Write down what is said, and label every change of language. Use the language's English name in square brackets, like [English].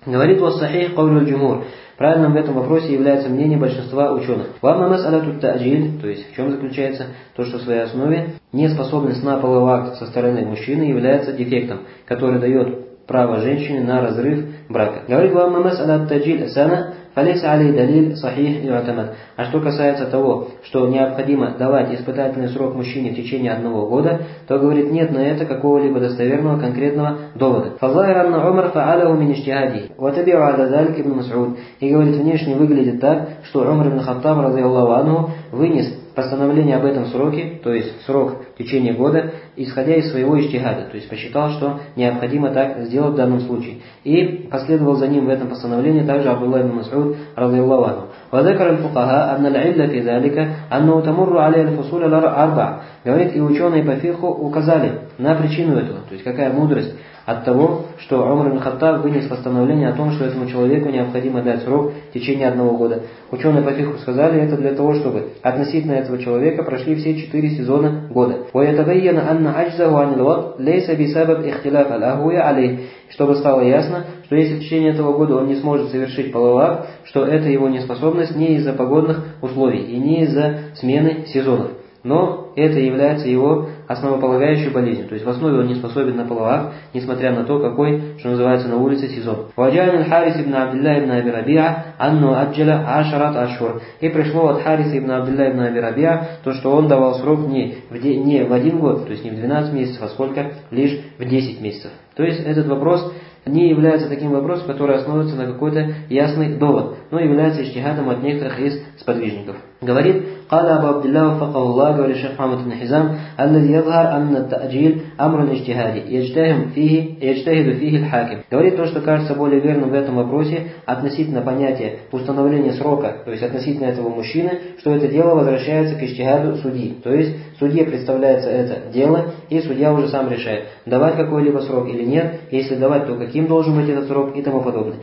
[Russian] Говорит [Arabic] вассахих каулю аль-джумур. [Russian] Правильным в этом вопросе является мнение большинства ученых. [Arabic] Вамма мас'алату та'джиль, [Russian] то есть в чем заключается то, что в своей основе неспособность на половой акт со стороны мужчины является дефектом, который дает право женщине на разрыв брака. Говорит [Arabic] вам мас'алату та'джиль сана, فليس عليه دليل صحيح يعتمد. [Russian] А что касается того, что необходимо давать испытательный срок мужчине в течение одного года, то говорит, нет на это какого-либо достоверного конкретного довода. [Arabic] فظاهر أن عمر فعله من اجتهاده وتبع على ذلك ابن مسعود. [Russian] И говорит, внешне выглядит так, что Умар ибн Хаттаб [Arabic] رضي الله عنه [Russian] вынес постановление об этом сроке, то есть срок в течение года, исходя из своего иштихада, то есть посчитал, что необходимо так сделать в данном случае. И последовал за ним в этом постановлении также Абдулла ибн Масуд, разиллаху анху. [Arabic] وذكر الفقهاء أن العلة في ذلك أنه تمر على الفصول الأربع. [Russian] Говорит, и ученые по фикху указали на причину этого, то есть какая мудрость от того, что Умар ибн Хаттаб вынес постановление о том, что этому человеку необходимо дать срок в течение одного года. Ученые по фикху сказали, это для того, чтобы относительно этого человека прошли все четыре сезона года. [Arabic] ويتبين أن عجزه عن الوقت ليس بسبب اختلاف الأهوية عليه. [Russian] Чтобы стало ясно, что если в течение этого года он не сможет совершить половар, что это его неспособность не из-за погодных условий и не из-за смены сезонов. Но это является его основополагающей болезнью. То есть в основе он не способен на половар, несмотря на то, какой, что называется, на улице сезон. [Arabic] وجعل الحارث بن عبد الله بن أبي ربيعة أنه أجل عشرة أشهر. [Russian] И пришло от Хариса ибн Абдилля ибн Аби Рабиа то, что он давал срок не в один год, то есть не в 12 месяцев, а сколько, лишь в 10 месяцев. То есть этот вопрос не является таким вопросом, который основывается на какой-то ясный довод, но является иштихадом от некоторых из сподвижников. [Arabic] Говорит, قال أبو عبد الله وفقه الله говорит شيخ محمد بن حزام الذي يظهر أن التأجيل أمر اجتهادي يجتهد فيه الحاكم. [Russian] Говорит то, что кажется более верным в этом вопросе относительно понятия установления срока, то есть относительно этого мужчины, что это дело возвращается к иштихаду судьи. То есть судье представляется это дело, и судья уже сам решает, давать какой-либо срок или нет, если давать, то каким должен быть этот срок и тому подобное.